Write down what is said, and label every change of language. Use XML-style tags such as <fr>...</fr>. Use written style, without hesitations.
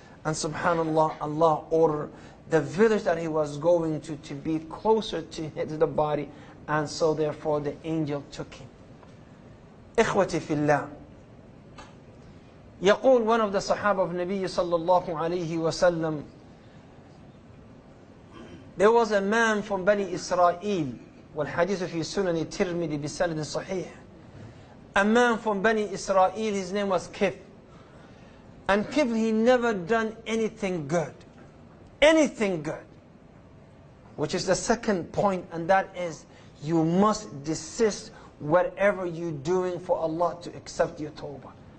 <en>And subhanallah, Allah ordered the village that he was going to be closer to the body. And so therefore the angel took him. Ikhwati fillah. Yaqul, one of the sahaba of Nabi sallallahu alayhi wa sallam, there was a man from Bani Israel.</en> <ar>والحديث في سنن الترمذي بسند صحيح.</ar> <en>A man from Bani Israel, his name was Kif. And Kif, he never done anything good. Anything good. Which is the second point, and that is, you must desist whatever you're doing for Allah to accept your tawbah.</en>